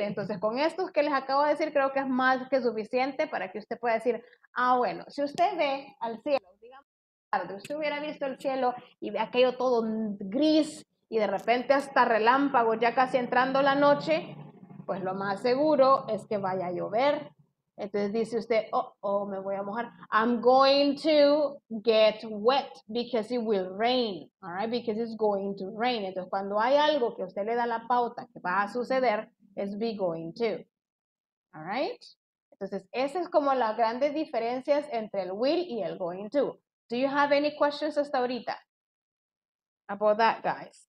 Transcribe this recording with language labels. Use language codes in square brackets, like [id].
[es] Entonces, con estos que les acabo de decir, creo que es más que suficiente para que usted pueda decir, ah, bueno, si usted ve al cielo, si hubiera visto el cielo y ve aquello todo gris y de repente hasta relámpago ya casi entrando la noche, pues lo más seguro es que vaya a llover. Entonces dice usted, oh, oh, me voy a mojar. [en] I'm going to get wet because it will rain. All right, because it's going to rain. [es] Entonces cuando hay algo que usted le da la pauta que va a suceder, es be going to. [en] All right. [es] Entonces esa es como las grandes diferencias entre el will y el going to. [en] Do you have any questions [es] hasta ahorita [en] about that, guys?